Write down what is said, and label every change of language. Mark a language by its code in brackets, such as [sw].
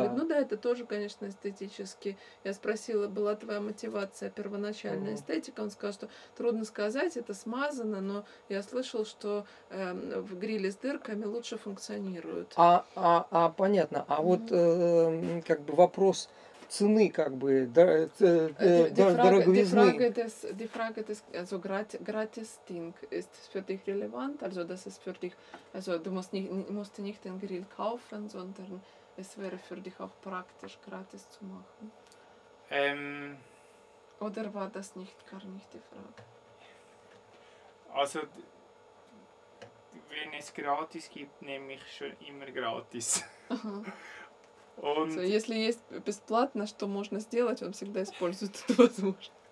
[ru] Да. Говорит, ну да, это тоже, конечно, эстетически. Я спросила, была твоя мотивация первоначальная эстетика, он сказал, что трудно сказать, это смазано, но я слышал, что в гриле с дыркой лучше функционируют. А понятно. А вот как бы вопрос цены, как бы дороговизны. [de] Die Frage des also gratis Ding ist für dich relevant, also das ist für dich, also du musst nicht den Grill kaufen, sondern es wäre für dich auch praktisch gratis zu machen. Oder war das nicht gar nicht die Frage? Also wenn es gratis gibt, nehme ich schon immer gratis. Und also, [ru] если есть бесплатно, что можно сделать, он всегда использует эту возможность.